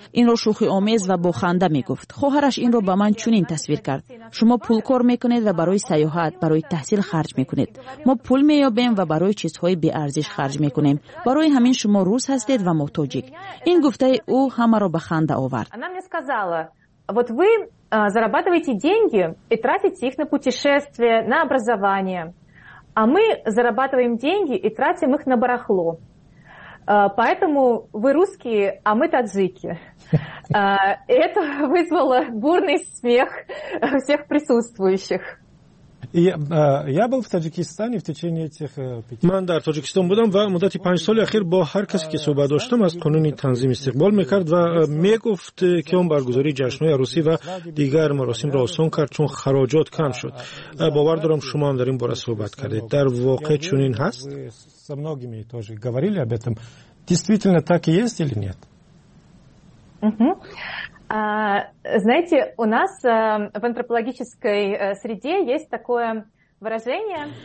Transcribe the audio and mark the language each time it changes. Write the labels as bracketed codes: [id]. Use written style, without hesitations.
[fa] این را شوخی آمیز و بخنده می گفت. خواهرش این را به من چون این تصویر کرد. شما پول کار می کنید و برای سیاحت، برای تحصیل خرج می کنید. ما پول می یابیم و برای چیزهای بی ارزش خرج می کنیم. برای همین شما روس هستید و محتاجیک. این گفته او همه را به خنده آورد. انا می [ru] сказала, вот вы зарабатываете деньги и тратите их на путешествия, на образование. А мы зарабатываем деньги и тратим их на барахло. Поэтому вы русские, а мы таджики. Это вызвало бурный смех всех присутствующих. Я был в Таджикистане в течение этих 5 [tg] Ман дар Таджикистан будам ва муддати 5 соли ахир бо ҳар касе ки сӯҳбат доштам аз қонуни танзим истиқбол мекард ва мегуфт ки он баргузори ҷашнҳои арусӣ ва дигар маросимро осон кард чун хароҷот кам шуд. Бовар дорам шумо ҳам дар ин бора суҳбат кардед. Дар воқеъ чунин ҳаст? [ru] Со многими тоже говорили об этом. Действительно так и есть или нет? Знаете, у нас в антропологической среде есть такое выражение.